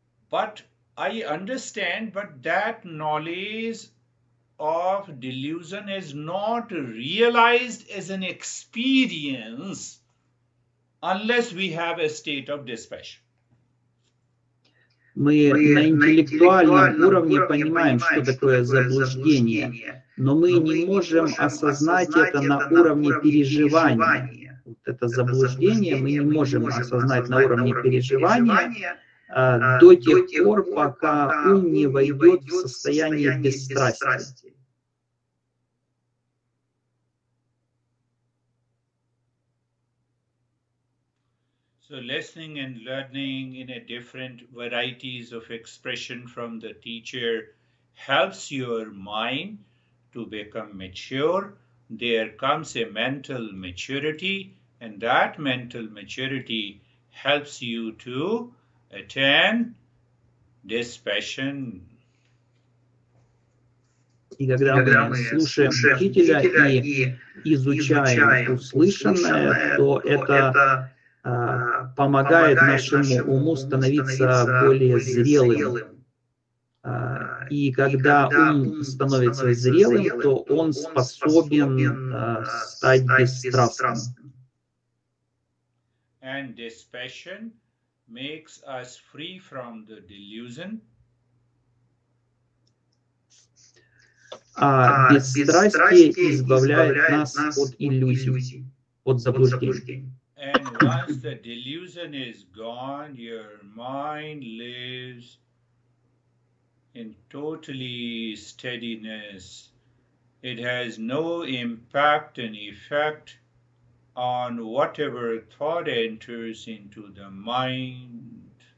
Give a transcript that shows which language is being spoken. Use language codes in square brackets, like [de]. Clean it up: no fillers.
[en] But I understand, but that knowledge of delusion is not realized as an experience unless we have a state of dispassion. [ru] Мы на интеллектуальном уровне понимаем, что такое заблуждение, но мы не можем осознать это на уровне переживания. Вот это заблуждение мы не можем осознать на уровне переживания до тех пор, пока ум не войдет в состояние бесстрастия. [en] So listening and learning in a different varieties of expression from the teacher helps your mind to become mature. There comes a mental maturity, and that mental maturity helps you to attain dispassion. [ru] И когда мы слушаем учителя и изучаем услышанное, то это помогает нашему уму становиться более зрелым. И когда ум становится зрелым, то он способен стать бесстрастным. [en] And dispassion makes us free from the delusion. [ru] А бесстрастие избавляет нас от иллюзий, от заблуждений. [en] And once the delusion is gone, your mind lives in totally steadiness. It has no impact and effect on whatever thought enters into the mind.